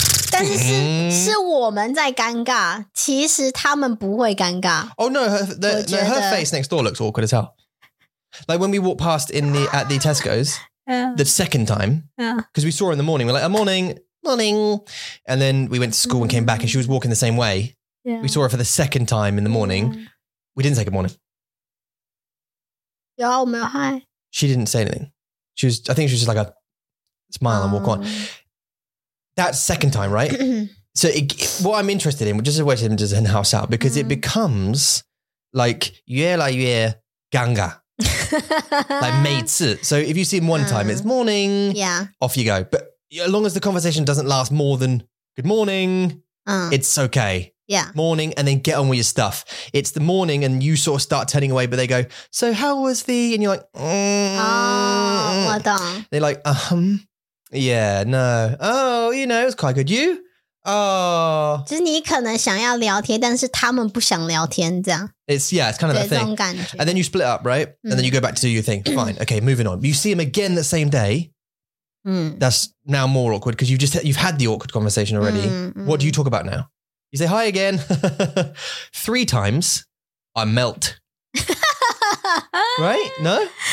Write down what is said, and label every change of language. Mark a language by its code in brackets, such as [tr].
[zh] 但是是我们在尴尬，其实他们不会尴尬。 [en] Oh no, her face next door looks awkward as hell. Like when we walked past at the Tesco's the second time, because we saw her in the morning, we're like, oh, morning, and then we went to school and came back, and she was walking the same way. Yeah. We saw her for the second time in the morning. Yeah. We didn't say good morning. [zh] 有啊，我们有 hi. [en] She didn't say anything. She was, I think she was just like a smile and walk on. That second time, right? So what I'm interested in, just wait to just house out, because it becomes like [zh] 越来越尴尬, [en] like [zh] 每次. [en] So if you see him one time, it's morning, off you go. But as long as the conversation doesn't last more than good morning, it's okay. Yeah. Morning, and then get on with your stuff. It's the morning and you sort of start turning away, but they go, so how was the, and you're like, they're like, yeah, no. Oh, you know, it's quite good. You? Oh. [zh] 就是你可能想要聊天,但是他们不想聊天这样. [en] It's kind of the thing. And then you split up, right? And then you go back to do your thing. Fine. Okay, moving on. You see him again the same day. That's now more awkward because you've had the awkward conversation already. What do you talk about now? You say hi again. Three times, I melt. Right? No?